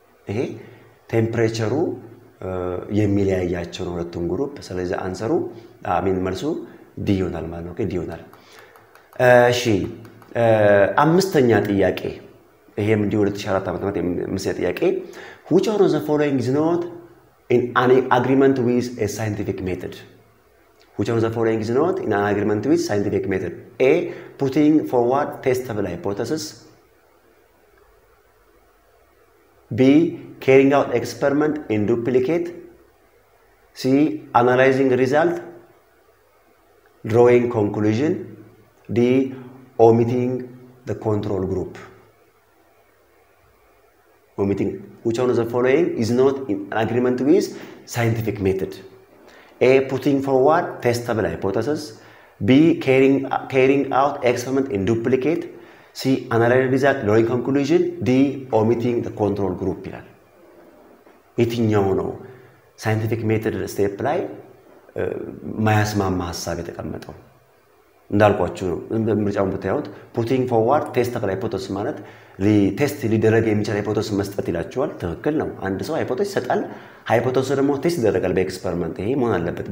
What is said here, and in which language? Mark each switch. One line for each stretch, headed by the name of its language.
Amharic: ይሄ ቴምፕሬቸሩ የሚለያያቸው ነው ሁለቱም ግሩፕ። ስለዚህ አንሰሩ አሚን መልሱ ዲ ይሆናል ማለት ነው። ኦኬ ዲ ይሆናል። እሺ አምስተኛ ጥያቄ ይሄም እንዲሁ 2004 ዓ.ም የምሰጥ ጥያቄ
English: which of the following is not in an agreement with a scientific method? Which of the following is not in an agreement with scientific method? A. Putting forward testable hypothesis. B. Carrying out experiment in duplicate. C. Analyzing result. Drawing conclusion. D. Omitting the control group. Omitting. Which of the following is not in agreement with scientific method? A. Putting forward testable hypothesis. B. Carrying out experiment in duplicate. C. Analyzing result, drawing conclusion. D. Omitting the control group.
Amharic: የትኛው ነው ሳይንቲፊክ ሜቶድ ስቴፕ ላይ ማያስማማ ሐሳብ የተቀመጠው? እንዳልኳችሁ ምርጫውን ብታዩት
English: putting forward testable hypothesis
Amharic: ማለት ሊቴስት ሊደረግ የሚችል ሃይፖቴሲስ መስጠት ይላችኋል። ትክክል ነው። አንድ ሰው ሃይፖቴሲስ ሰጣል፣ ሃይፖቴሲስ ደግሞ ቴስት ይደረጋል በኤክስፐሪመንት። ይሄ ምን አለበት?